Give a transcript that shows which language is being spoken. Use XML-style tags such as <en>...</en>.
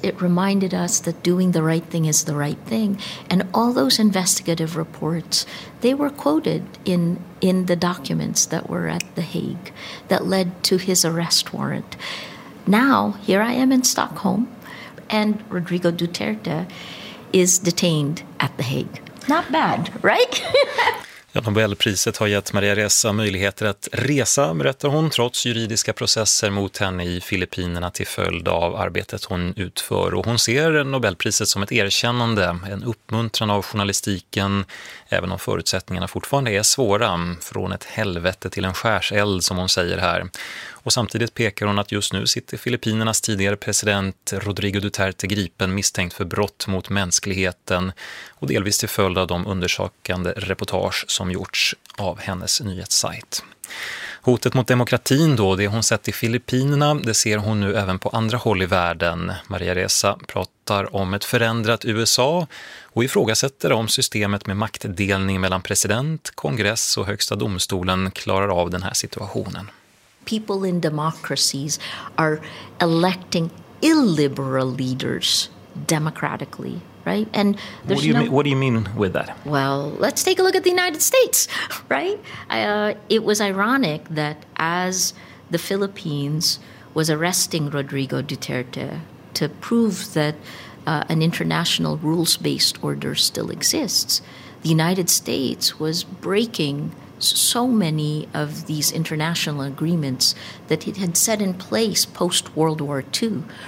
<en>It reminded us that doing the right thing is the right thing. And all those investigative reports, they were quoted in the documents that were at The Hague that led to his arrest warrant. Now, here I am in Stockholm, and Rodrigo Duterte is detained at The Hague. Not bad, right?</en> <sv>Ja, Nobelpriset har gett Maria Ressa möjligheter att resa, berättar hon, trots juridiska processer mot henne i Filippinerna till följd av arbetet hon utför. Och hon ser Nobelpriset som ett erkännande, en uppmuntran av journalistiken, även om förutsättningarna fortfarande är svåra, från ett helvete till en skärseld, som hon säger här. Och samtidigt pekar hon att just nu sitter Filippinernas tidigare president Rodrigo Duterte gripen misstänkt för brott mot mänskligheten och delvis till följd av de undersökande reportage som gjorts av hennes nyhetssajt. Hotet mot demokratin då, det hon sett i Filippinerna, det ser hon nu även på andra håll i världen. Maria Ressa pratar om ett förändrat USA och ifrågasätter om systemet med maktdelning mellan president, kongress och högsta domstolen klarar av den här situationen.</sv> <en>People in democracies are electing illiberal leaders democratically, right? And there's what do you mean with that? Well, let's take a look at the United States, right? It was ironic that as the Philippines was arresting Rodrigo Duterte to prove that an international rules-based order still exists, the United States was breaking so many of these international agreements that it had set in place post-World War II.</en>